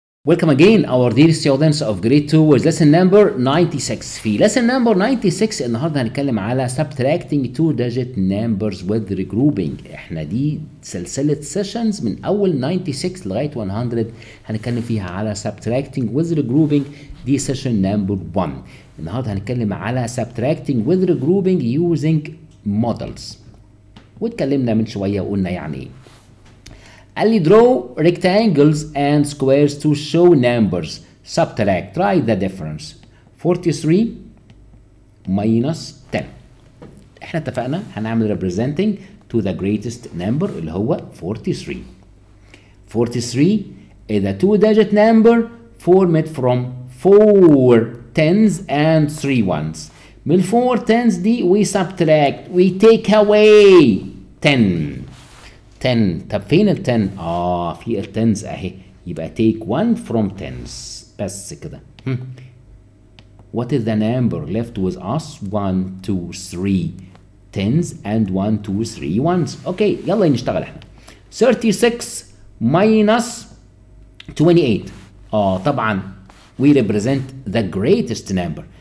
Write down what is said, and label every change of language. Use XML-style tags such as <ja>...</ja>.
<en>Welcome again our dear students of grade 2 with lesson number 96. في lesson number 96</en> <ar>النهاردة هنتكلم على</ar> <en>subtracting two digit numbers with regrouping.</en> <ar>احنا دي سلسلة sessions من اول 96 لغاية 100 هنتكلم فيها على</ar> <en>subtracting with regrouping. دي session number 1.</en> <ar>النهاردة هنتكلم على</ar> <en>subtracting with regrouping using models.</en> <ar>واتكلمنا من شوية وقلنا يعني ايه. قال لي</ar> <en>draw rectangles and squares to show numbers. Subtract. Write the difference. 43 minus 10.</en> <ar>احنا اتفقنا هنعمل</ar> <en>representing to the greatest number</en> <ar>اللي هو</ar> <en>43 is a two digit number formed from four tens and three ones. من four tens دي we subtract. We take away 10.</en> <ar>10 طب فين ال 10؟ في ال 10s اهي، يبقى</ar> <en>take 1 from 10s</en> <ar>بس كده.</ar> <en>What is the number left with us؟ 1 2 3 10s and 1 2 3 1s.</en> <ar>اوكي يلا نشتغل احنا. 36 minus 28.</ar> <en>طبعا we represent the greatest number.</en>